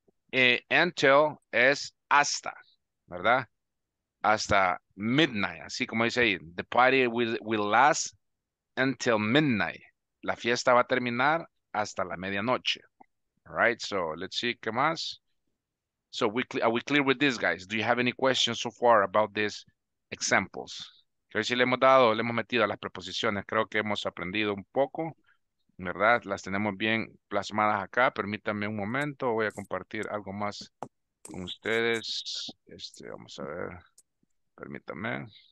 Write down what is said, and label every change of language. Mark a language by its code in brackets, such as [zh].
[es] Until es hasta, ¿verdad? Hasta midnight, así como dice ahí. [en] The party will last until midnight. [es] La fiesta va a terminar hasta la medianoche. [en] All right, so let's see, [es] ¿qué más? [en] So are we clear with this, guys? Do you have any questions so far about these examples? [es] Creo que sí le hemos metido a las preposiciones. Creo que hemos aprendido un poco, ¿verdad? Las tenemos bien plasmadas acá. Permítanme un momento. Voy a compartir algo más con ustedes. Vamos a ver. Permítanme.